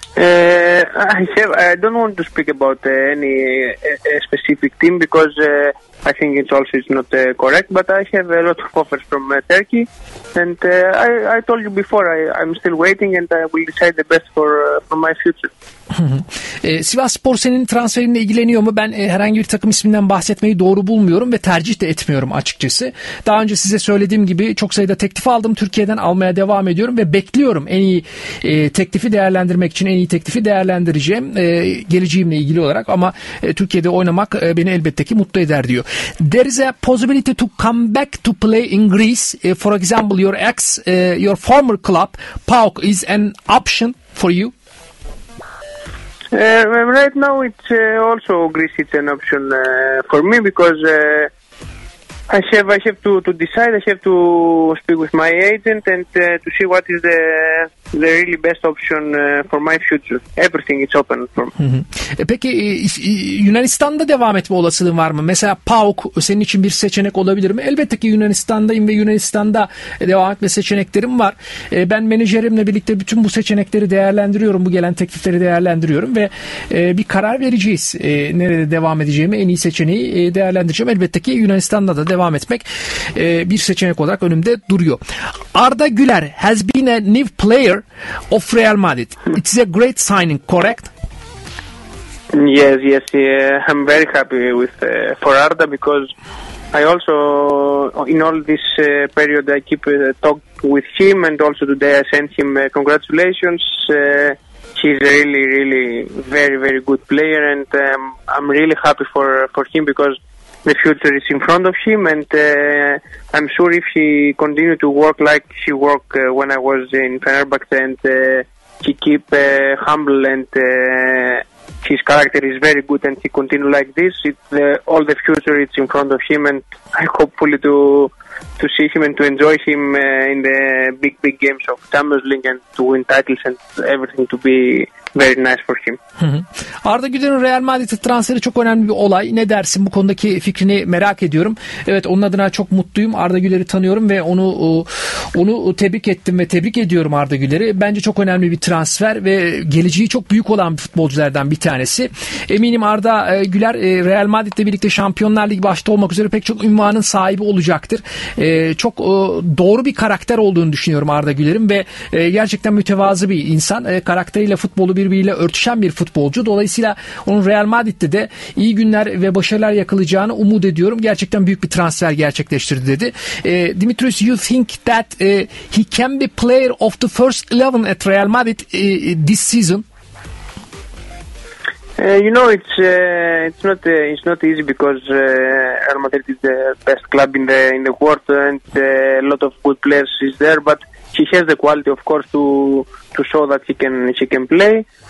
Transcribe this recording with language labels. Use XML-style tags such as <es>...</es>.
<en>I don't want to speak about any specific team because I think it's also it's not correct. But I have a lot of offers from Turkey, and I told you before I'm still waiting and I will decide the best for my future.</en> <tr>Sivasspor senin transferinle ilgileniyor mu? Ben herhangi bir takım isminden bahsetmeyi doğru bulmuyorum ve tercih de etmiyorum açıkçası. Daha önce size söylediğim gibi çok sayıda teklif aldım. Türkiye'den almaya devam ediyorum ve bekliyorum en iyi teklifi değerlendirmek için. En iyi teklifi değerlendireceğim geleceğimle ilgili olarak ama Türkiye'de oynamak beni elbette ki mutlu eder diyor.</tr> <en>There is a possibility to come back to play in Greece. For example, your ex, your former club, PAOK, is an option for you. Right now it's also Greece is an option for me because I have to decide. I have to speak with my agent and to see what is the really best option for my future. Everything is open for me.</en> <tr>Peki Yunanistan'da devam etme olasılığın var mı? Mesela PAOK senin için bir seçenek olabilir mi? Elbette ki Yunanistan'dayım ve Yunanistan'da devam etme seçeneklerim var. Ben menajerimle birlikte bütün bu seçenekleri değerlendiriyorum, bu gelen teklifleri değerlendiriyorum ve bir karar vereceğiz. Nerede devam edeceğimi, en iyi seçeneği değerlendireceğim. Elbette ki Yunanistan'da da devam etmek bir seçenek olarak önümde duruyor.</tr> <en>Arda Güler has been a new player of Real Madrid. It's a great signing, correct? Yes. I'm very happy with for Arda because I also in all this period I keep talk with him and also today I sent him congratulations. He's really, really very, very good player and I'm really happy for him because the future is in front of him and I'm sure if he continue to work like he worked when I was in Fenerbahçe and he keep humble and his character is very good and he continue like this, all the future is in front of him and I hopefully to see him and to enjoy him in the big, big games of Champions League and to win titles and everything to be very nice for him.</en> <tr>Arda Güler'in Real Madrid'e transferi çok önemli bir olay. Ne dersin? Bu konudaki fikrini merak ediyorum. Evet, onun adına çok mutluyum. Arda Güler'i tanıyorum ve onu tebrik ettim ve tebrik ediyorum Arda Güler'i. Bence çok önemli bir transfer ve geleceği çok büyük olan bir futbolculardan bir tanesi. Eminim Arda Güler Real Madrid'le birlikte Şampiyonlar Ligi başta olmak üzere pek çok ünvanın sahibi olacaktır. Çok doğru bir karakter olduğunu düşünüyorum Arda Güler'in ve gerçekten mütevazı bir insan. Karakteriyle futbolu birbiriyle örtüşen bir futbolcu. Dolayısıyla onun Real Madrid'de de iyi günler ve başarılar yakalayacağını umut ediyorum. Gerçekten büyük bir transfer gerçekleştirdi dedi.</tr> <en>Dimitrios, you think that he can be player of the first 11 at Real Madrid this season? You know, it's not easy because Real Madrid is the best club in the world and a lot of good players is there, but he has the quality, of course, to show that he can play.</en>